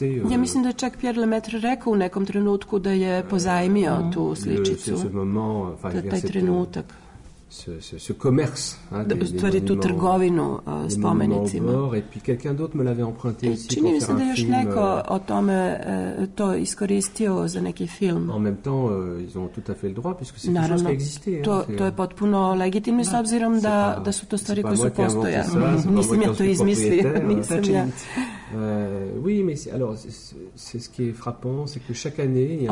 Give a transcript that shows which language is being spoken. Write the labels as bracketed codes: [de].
[sr] Ja mislim da je čak Pierre Lemaitre rekao u nekom trenutku da je pozajmio tu sličicu, taj trenutak. [fr] Ce commerce, [sr] tu trgovinu spomenicima. [fr] Et puis quelqu'un d'autre me l'avait emprunté aussi. [sr] Čini mi se da još neko o tome to iskoristio za neki film. [fr] En même temps, ils ont tout à fait le droit puisque c'est quelque chose qui existait. [sr] To je potpuno legitimno s obzirom da su to stvari koje su postojale. Nisam ja to izmislio, nisam ja. [fr] Oui, mais alors c'est ce qui est frappant, c'est que chaque année il y a